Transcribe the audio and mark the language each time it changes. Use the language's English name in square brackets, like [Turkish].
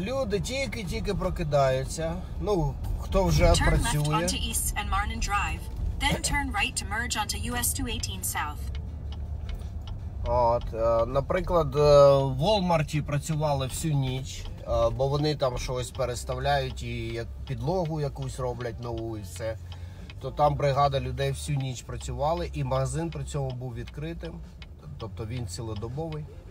[Ukrainian] Люди тільки-тільки прокидаються. Ну, хто вже працює. [English] Turn left onto East and Marnin Drive. Then turn right to merge onto US 218 South. [Ukrainian] От, наприклад, в Волмарті працювали всю ніч, бо вони там щось переставляють і як підлогу якусь роблять нову і все. То там бригада людей всю ніч працювали, і магазин при цьому був відкритим, тобто він цілодобовий.